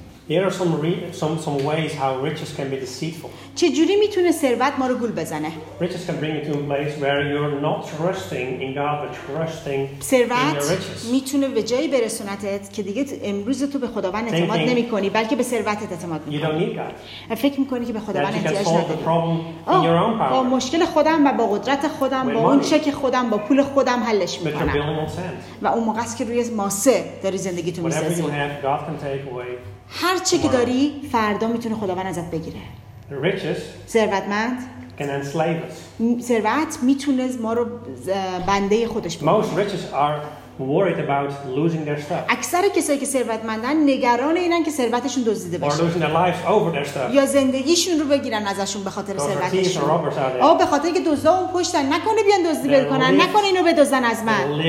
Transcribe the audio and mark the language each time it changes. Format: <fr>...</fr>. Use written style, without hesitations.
<en>There are some ways how riches can be deceitful.</en> <fa>چه جوری میتونه ثروت ما رو گول بزنه؟</fa> <en>Riches can bring you to a place where you're not trusting in God, but trusting in your riches.</en> <fa>ثروت میتونه به جایی برسونتت که دیگه امروز تو به خداوند اعتماد نمی‌کنی بلکه به ثروتت اعتماد می‌کنی.</fa> <en>You don't need God.</en> <fa>فکر می‌کنی که به خداوند احتیاج نداری.</fa> <en>The problem in your own power.</en> <fa>با مشکل خودم و با قدرت خودم با اون چک خودم با پول خودم حلش می‌کنم. و اون موقع است که روی ماسه داری زندگیتو می‌سازی.</fa> <en>Whatever you have, God can take away.</en> <fa>هر چی که داری فردا میتونه خداوند ازت بگیره. ثروتمند</fa> <en>can enslave us.</en> <fa>ثروت میتونه ما رو بنده خودش بکنه.</fa> <en>Most riches are worried about losing their stuff.</en> <fa>اکثر کسایی که ثروتمندن نگران اینن که ثروتشون دزدیده بشه.</fa> <en>Or losing their lives over their stuff.</en> <fa>یا زندگیشون رو بگیرن ازشون به خاطر ثروتشون. آه به خاطر اینکه دزدا اون پشتن نکنه بیان دزدی بکنن نکنه اینو بدزن از من.</fa>